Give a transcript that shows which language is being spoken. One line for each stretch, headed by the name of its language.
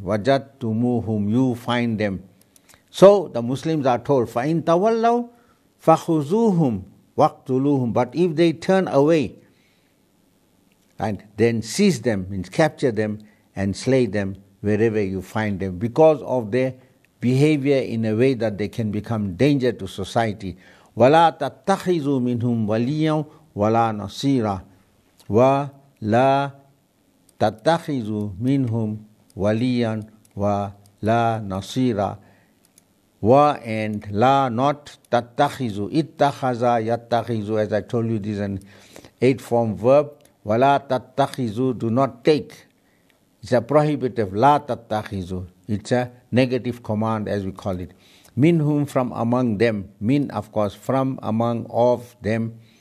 English: Wajadtumu, whom you find them. So the Muslims are told,
Arabic: fa'in tawallaw, fakhuzuhum, waqtuluhum.
English: But if they turn away, and then seize them, means capture them, and slay them, wherever you find them, because of their behavior in a way that they can become danger to society.
Arabic: وَلَا تَتَّخِذُوا مِنْهُمْ وَلِيًّا وَلَا نَصِيرًا وَلَا تَتَّخِذُوا مِنْهُمْ وَلِيًّا وَلَا نَصِيرًا wa and la not تَتَّخِذُوا اِتَّخَذَا يَتَّخِذُوا.
English: As I told you, this is an 8-form verb. وَلَا تَتَّخِذُوا, do not take. It's a prohibitive, la tattakhizu. It's a negative command, as we call it. Minhum, from among them. Min, of course, from among, of them.